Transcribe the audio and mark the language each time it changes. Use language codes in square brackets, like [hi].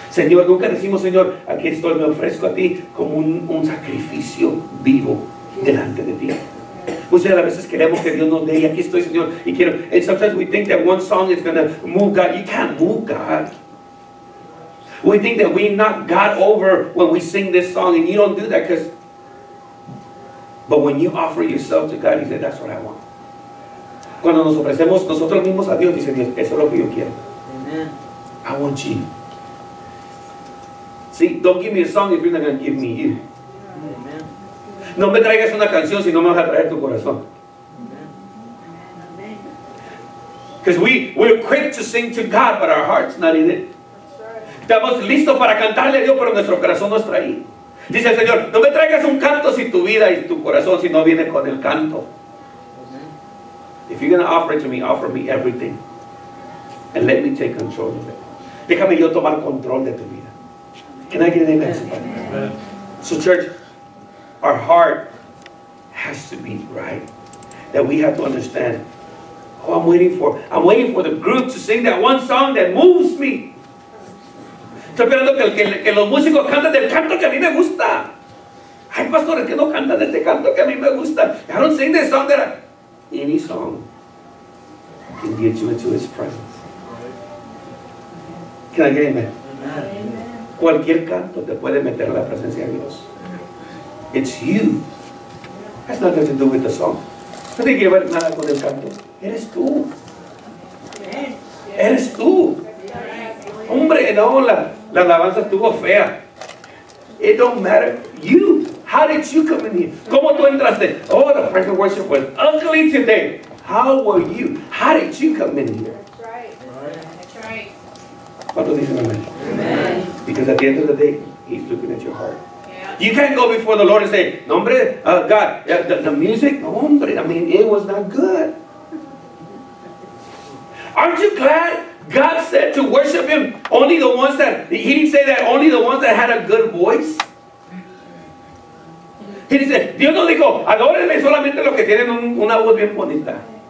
[es] Señor, nunca decimos, Señor, aquí estoy, me ofrezco a ti como un sacrificio vivo delante de ti. Muchas de las veces queremos que Dios nos dé, y aquí estoy, Señor, y quiero. [en] And sometimes we think that one song is going to move God. You can't move God. We think that we knock God over when we sing this song, and you don't do that because. But when you offer yourself to God, He said, that's what I want. [es] Cuando nos ofrecemos nosotros mismos a Dios, dice Dios, eso es lo que yo quiero. [en] Amen. I want you. See, don't give me a song if you're not going to give me you. [es] No me traigas una canción si no me vas a traer tu corazón. [en] Because we're quick to sing to God, but our heart's not in it. [es] Estamos listos para cantarle a Dios, pero nuestro corazón no está ahí. Dice el Señor, no me traigas un canto si tu vida y tu corazón si no viene con el canto. [en] If you're going to offer me everything. And let me take control of it. [es] Déjame yo tomar control de tu vida. [en] Can I get an amen? So church, our heart has to be right. That we have to understand. Oh, I'm waiting for. I'm waiting for the group to sing that one song that moves me. [es] Estoy esperando que los músicos canten del canto que a mí me gusta. Hay pastores que no cantan este canto que a mí me gusta. [en] I don't sing this song that I... Any song can get you into His presence. Can I get amen? [es] Cualquier canto te puede meter a la presencia de Dios. [en] It's you. That's nothing to do with the song. [es] No tiene que ver nada con el canto. Eres tú. Eres tú. Hombre, no, la alabanza estuvo fea. [en] It don't matter. You. How did you come in here? [es] ¿Cómo tú entraste? [en] Oh, the praise and worship was ugly today. How were you? How did you come in here? That's right. [es] ¿Cuánto dicen amén? [en] Because at the end of the day, He's looking at your heart. You can't go before the Lord and say, [es] no, hombre, [en] God, the music, no, hombre, I mean, it was not good. Aren't you glad God said to worship Him only the ones that, He didn't say that only the ones that had a good voice? He didn't say, [es] Dios no dijo, adórenme solamente los que tienen una voz bien bonita.